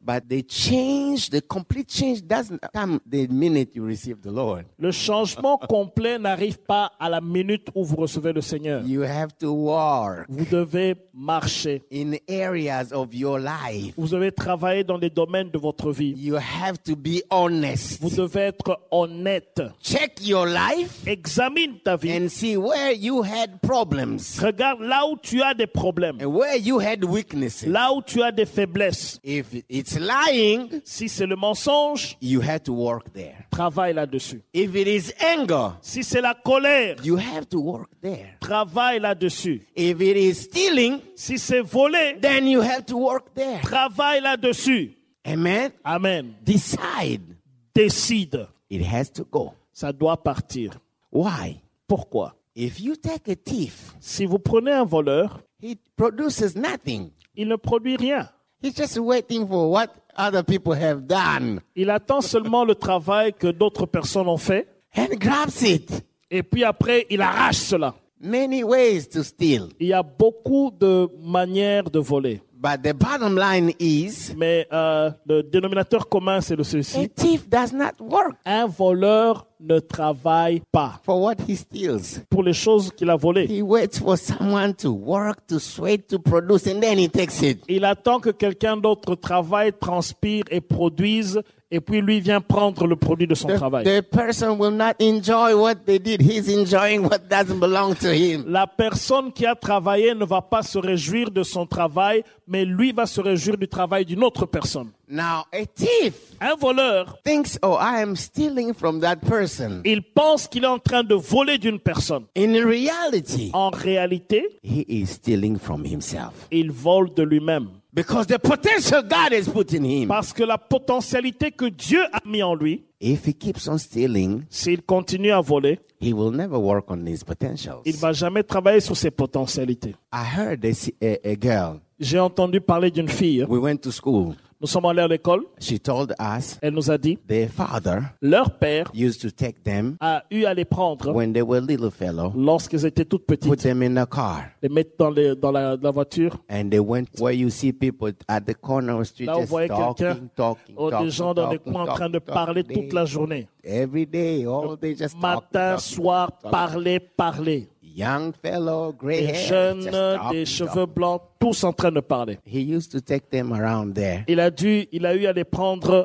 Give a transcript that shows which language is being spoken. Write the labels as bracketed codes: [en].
[en] But the change, the complete change doesn't come the minute you receive the Lord. [fr] Le changement complet n'arrive pas à la minute où vous recevez le Seigneur. [en] You have to walk. [fr] Vous devez marcher. [en] In areas of your life. [fr] Vous devez travailler dans les domaines de votre vie. [en] You have to be honest. [fr] Vous devez être honnête. [en] Check your life. [fr] Examine ta vie. [en] And see where you had problems. problems. [fr] Regarde là où tu as des problèmes. [en] And where you had weaknesses. [fr] Là où tu as des faiblesses. [en] If it's lying, [fr] si c'est le mensonge, [en] you have to work there. [fr] Travaille là-dessus. [en] If it is anger, [fr] si c'est la colère, [en] you have to work there. [fr] Travaille là-dessus. [en] If it is stealing, [fr] si c'est voler, [en] then you have to work there. [fr] Travaille là-dessus. [en] Amen. [fr] Amen. [en] Decide. [fr] Décide. [en] It has to go. [fr] Ça doit partir. [en] Why? [fr] Pourquoi? [en] If you take a thief, [fr] si vous prenez un voleur, [en] he produces nothing. [fr] Il ne produit rien. [en] He's just waiting for what other people have done. [fr] Il attend seulement le travail que d'autres personnes ont fait. [en] And grabs it. [fr] Et puis après, il arrache cela. [en] Many ways to steal. [fr] Il y a beaucoup de manières de voler. [en] But the bottom line is, [fr] mais le dénominateur commun, c'est le ceci. [en] A thief does not work. [fr] Un voleur ne travaille pas. [en] For what he steals. [fr] Pour les choses qu'il a volées. [en] He waits for someone to work, to sweat, to produce, and then he takes it. [fr] Il attend que quelqu'un d'autre travaille, transpire et produise, et puis lui vient prendre le produit de son travail. [en] The person will not enjoy what they did. He's enjoying what doesn't belong to him. [fr] La personne qui a travaillé ne va pas se réjouir de son travail, mais lui va se réjouir du travail d'une autre personne. [en] Now, a thief, [fr] un voleur, [en] thinks, oh, I am stealing from that person. [fr] Il pense qu'il est en train de voler d'une personne. [en] In reality, [fr] en réalité, [en] he is stealing from himself. [fr] Il vole de lui-même. [en] Because the potential God has put in him. [fr] Parce que la potentialité que Dieu a mis en lui. [en] If he keeps on stealing, [fr] s'il continue à voler, [en] he will never work on his potentials. [fr] Il va jamais travailler sur ses potentialités. [en] I heard a girl. [fr] J'ai entendu parler d'une fille. [en] We went to school. [fr] Nous sommes allés à l'école. [en] She told us, [fr] elle nous a dit, [en] their father, [fr] leur père, [en] used to take them, [fr] a eu à les prendre, [en] when they were little fellow, [fr] lorsqu'elles étaient toutes petites, [en] put them in a car, [fr] les mettre dans la voiture, [en] and they went where you see people at the corner of the street, [fr] là [en] just talking, talking, talking, talking, talking, [fr] des gens dans les coins en train de parler toute la journée, [en] every day, all day just talking, [fr] matin, [en] talking, [fr] soir, talking, parler, parler. [en] Young fellow, gray hair, [fr] jeunes, des cheveux blancs, tous en train de parler. [en] He used to take them around there. [fr] Il a eu à les prendre.